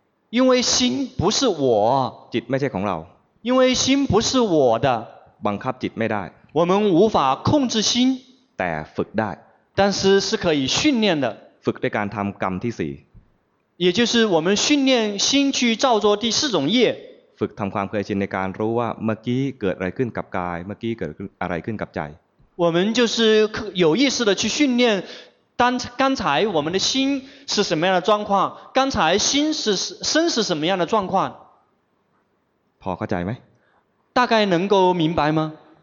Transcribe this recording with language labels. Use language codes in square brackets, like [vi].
[zh] 因为心不是我 [th] จิตไม่ใช่ของเรา [zh] 因为心不是我的 [th] บังคับจิตไม่ได้ [zh] 我们无法控制心 [th] แต่ฝึกได้ [zh] 但是是可以训练的 [th] ฝึกด้วยการทำกรรมที่สี่ [zh] 也就是我们训练心去造作第四种业 [th] ฝึกทำความเคยชินในการรู้ว่าเมื่อกี้เกิดอะไรขึ้นกับกายเมื่อกี้เกิดอะไรขึ้นกับใจ [zh] 我们就是有意识的去训练当刚才我们的心是什么样的状况刚才心是身是什么样的状况 [th] พอเข้าใจไหม [zh] 大概能够明白吗